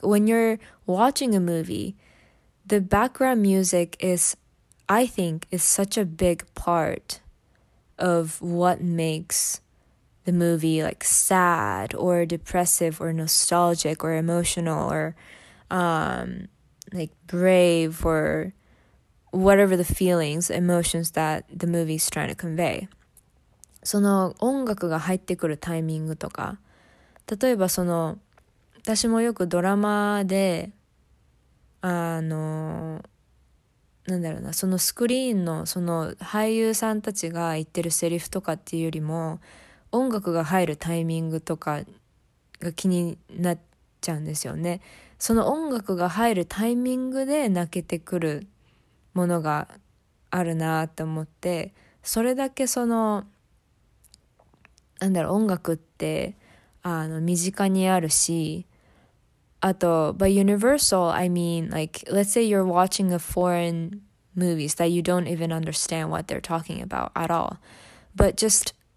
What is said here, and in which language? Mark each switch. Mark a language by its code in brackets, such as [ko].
[en] When you're watching a movie, the background music is, I think, is such a big part of what makes the movie like sad or depressive or nostalgic or emotional or like brave or whatever the feelings, emotions that the movie's trying to convey. [ja] その音楽が入ってくるタイミングとか、例えばその私もよくドラマで、なんだろうな、そのスクリーンのその俳優さんたちが言ってるセリフとかっていうよりも、音楽が入るタイミングとかが気になっちゃうんですよね。その音楽が入るタイミングで泣けてくるものがあるなって思って、それだけそのなんだろう、音楽って身近にあるし、あと [en] by universal I mean like let's say you're watching a foreign movies that you don't even understand what they're talking about at all, but just